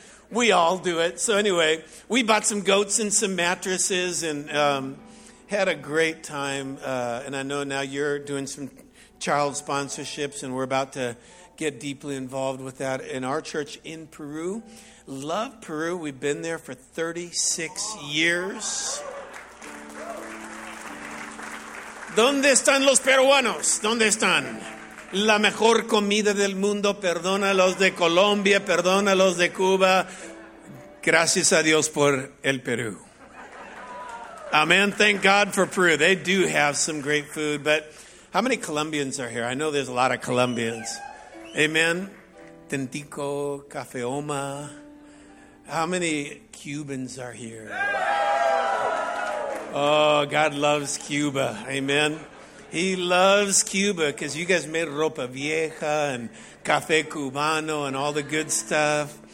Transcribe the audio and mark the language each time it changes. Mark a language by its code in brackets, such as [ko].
[en] We all do it. So anyway, we bought some goats and some mattresses and had a great time. And I know now you're doing some child sponsorships and we're about to get deeply involved with that in our church in Peru. Love Peru. We've been there for 36 years. [es] ¿Dónde están los peruanos? ¿Dónde están? La mejor comida del mundo. Perdona los de Colombia. Perdona los de Cuba. Gracias a Dios por el Perú. [en] Amen. Thank God for Peru. They do have some great food. But how many Colombians are here? I know there's a lot of Colombians. Amen. Tentico, Cafeoma. How many Cubans are here? Oh, God loves Cuba. Amen. He loves Cuba because you guys made ropa vieja and café cubano and all the good stuff.